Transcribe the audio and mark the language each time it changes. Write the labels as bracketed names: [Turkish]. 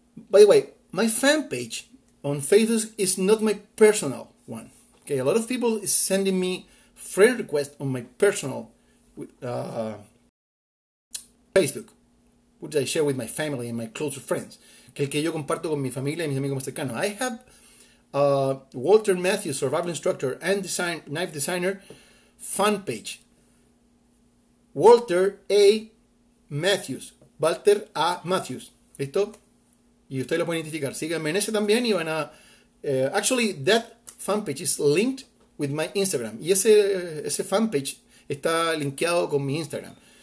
[English] By the way, my fan page on Facebook is not my personal one. Okay, a lot of people is sending me friend request on my personal Facebook, which I share with my family and my closer friends. [Spanish] Que yo comparto con mi familia y mis amigos más cercanos. [English] I have Walter Matthews, survival instructor and design knife designer, fan page. [Spanish] Walter A. Matthews. Walter A. Matthews. ¿Listo? Y ustedes lo pueden identificar. Síganme en ese también y van a... [English] actually, that fanpage is linked with my Instagram. [Spanish] Y ese fanpage está linkeado con mi Instagram.